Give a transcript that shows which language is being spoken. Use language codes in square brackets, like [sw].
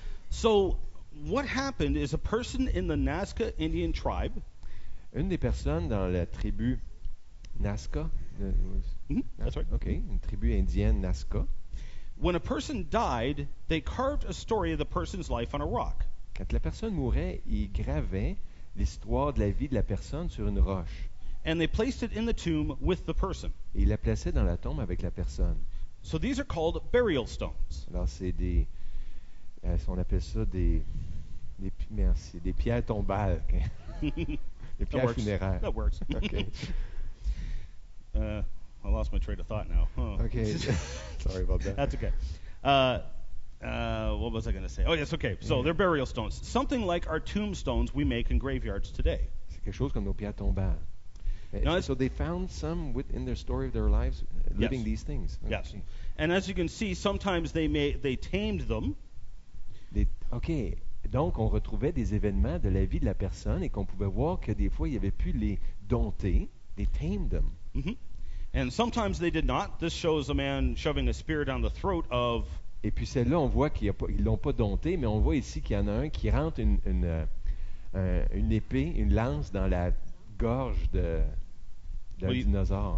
[en] So, what happened is a person in the Nazca Indian tribe... [fr] Une des personnes dans la tribu Nazca, [en] that's right. [fr] Okay, une tribu indienne Nazca. [en] When a person died, they carved a story of the person's life on a rock. [fr] Quand la personne mourait, ils gravaient l'histoire de la vie de la personne sur une roche. [en] And they placed it in the tomb with the person. [fr] Et ils la plaçaient dans la tombe avec la personne. [en] So these are called burial stones. [fr] Alors c'est on appelle ça des pierres tombales. [en] Okay. That works. [fr] Funéraire. [en] That works. Okay. I lost my train of thought now. Oh. Okay. Sorry about that. That's okay. What was I going to say? Oh, yes, okay. So, they're burial stones. Something like our tombstones we make in graveyards today. [fr] C'est quelque chose comme nos pierres tombales. [en] Now, so, they found some within their story of their lives living these things. Okay. Yes. And as you can see, sometimes they tamed them. Okay. [fr] Donc, on retrouvait des événements de la vie de la personne et qu'on pouvait voir que des fois, il avait pu les dompter, les [en] tame them. Mm-hmm. And sometimes they did not. This shows a man shoving a spear down the throat of... [fr] Et puis, celle-là, on voit qu'ils ne l'ont pas dompté, mais on voit ici qu'il y en a un qui rentre une épée, une lance dans la gorge d'un dinosaure.